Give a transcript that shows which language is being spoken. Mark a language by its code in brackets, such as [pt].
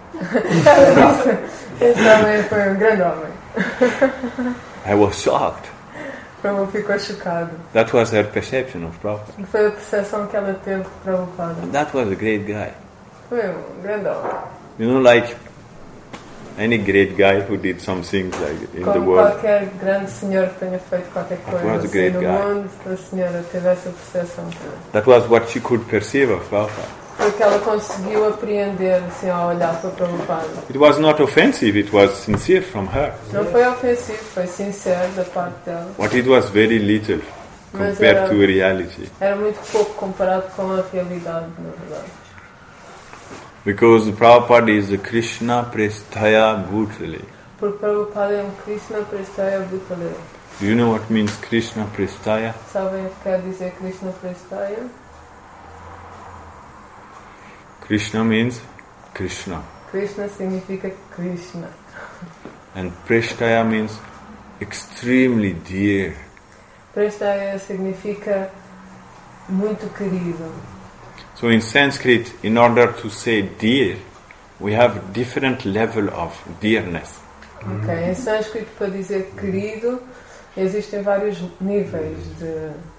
[pt] Ela disse, esse homem foi um grande homem. [en] I was shocked. [pt] Prabhupada ficou chocado. [en] That was her perception of Prabhupada. [pt] Foi a percepção que ela teve de Prabhupada. [en] And that was a great guy. [pt] Foi um grande homem. [en] You know, like any great guy who did some things like in [pt] como [en] the world. [pt] Como qualquer grande senhor que tenha feito qualquer coisa. [en] That was a great guy. [pt] Mundo, a senhora teve essa percepção. [en] That was what she could perceive of Prabhupada. [pt] Foi que ela conseguiu apreender assim, ao olhar para Prabhupada. [en] It was not offensive, it was sincere from her. [pt] Não foi ofensivo, foi sincero da parte dela. [en] But it was very little compared to reality. [pt] Era muito pouco comparado com a realidade, na verdade. [en] Because Prabhupada is a Krishna Prestaya Bhutale. [pt] Porque Prabhupada é um Krishna Prestaya Bhutale. [en] Do you know what means Krishna Prestaya? [pt] Sabem o que quer dizer Krishna Prestaya? [en] Krishna means Krishna. [pt] Krishna significa Krishna. [en] And Prestaya means extremely dear. [pt] Prestaya significa muito querido. [en] So in Sanskrit, in order to say dear, we have different level of dearness. [pt] Okay, em Sanskrit, para dizer querido, existem vários níveis de...